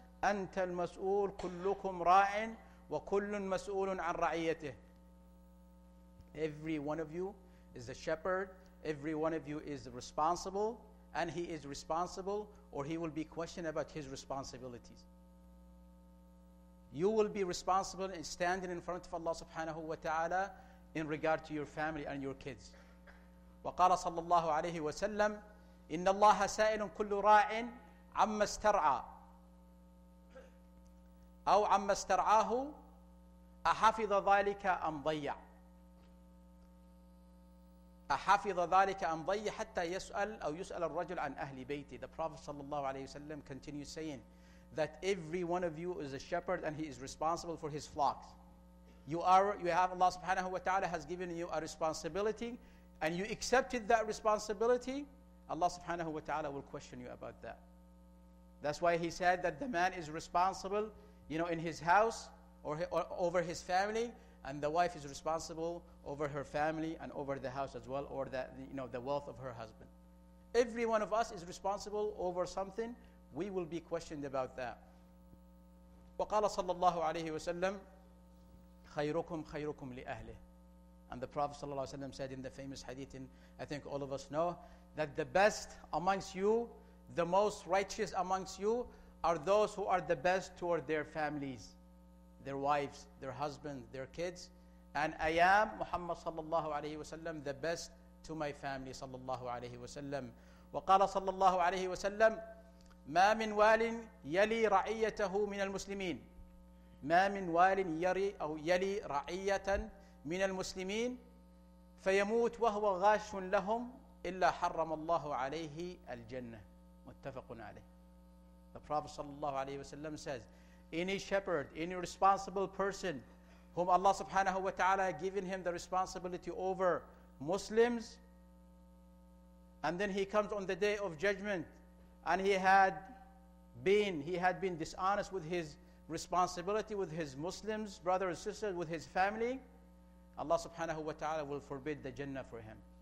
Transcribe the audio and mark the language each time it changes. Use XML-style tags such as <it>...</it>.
<ar>أنت المسؤول كلكم راع وكل مسؤول عن رعيته.</ar> <en>Every one of you is a shepherd. Every one of you is responsible, and he is responsible, or he will be questioned about his responsibilities. You will be responsible in standing in front of Allah subhanahu wa ta'ala in regard to your family and your kids.</en> <ar>وقال صلى الله عليه وسلم إن الله سائل كل راع عما استرعى أو عما استرعاه أحفظ ذلك أم ضيع أحفظ ذلك أم ضيع حتى يسأل أو يسأل الرجل عن أهل بيتي.</ar> <en>The Prophet</en> <ar>صلى الله عليه وسلم</ar> <en>continues saying that every one of you is a shepherd and he is responsible for his flocks. Allah subhanahu wa ta'ala has given you a responsibility and you accepted that responsibility, Allah subhanahu wa ta'ala will question you about that. That's why he said that the man is responsible, you know, in his house or over his family, and the wife is responsible over her family and over the house as well, or that, you know, the wealth of her husband. Every one of us is responsible over something. We will be questioned about that.</en> <ar>وقال صلى الله عليه وسلم خيركم خيركم لأهله.</ar> <en>And the Prophet</en> <ar>صلى الله عليه وسلم</ar> <en>said in the famous hadith, and I think all of us know, that the best amongst you, the most righteous amongst you, are those who are the best toward their families, their wives, their husbands, their kids. And I am Muhammad</en> <ar>صلى الله عليه وسلم</ar> <en>the best to my family صلى الله عليه وسلم.</en> <ar>وقال صلى الله عليه وسلم ما من وال يلي رعيته من المسلمين ما من وال يري أو يلي رعية من المسلمين فيموت وهو غاش لهم إلا حرم الله عليه الجنة. متفق عليه.</ar> <en>The Prophet sallallahu alayhi wa sallam says, any shepherd, any responsible person whom Allah subhanahu wa ta'ala has given him the responsibility over Muslims, and then he comes on the day of judgment and he had been dishonest with his responsibility, with his Muslims, brothers and sisters, with his family, Allah subhanahu wa ta'ala will forbid the Jannah for him.</en>